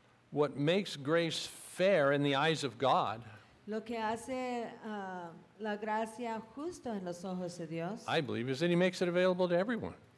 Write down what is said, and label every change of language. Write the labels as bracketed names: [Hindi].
[English] What makes grace fair in the eyes of God. [Spanish] Lo que hace la gracia justo en los ojos de Dios. [English] I believe is that he makes it available to everyone.